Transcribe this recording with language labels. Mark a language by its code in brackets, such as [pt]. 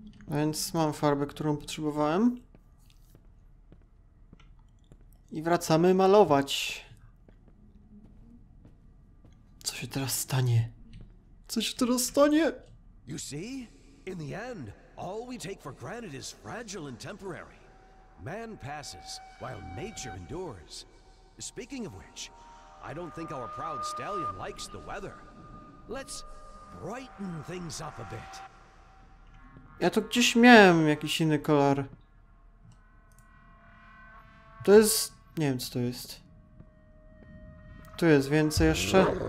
[pl] Więc mam farbę, którą potrzebowałem. I wracamy malować. Co się teraz stanie? Co się teraz stanie? [en] You see? In the end, all we take for granted is fragile and temporary. Man passes, while nature endures. Speaking of which, I don't think our proud stallion likes the weather. Let's brighten things up a bit. [pl] Ja to gdzieś miałem jakiś inny kolor. To jest... nie wiem, co to jest. Tu jest więcej jeszcze.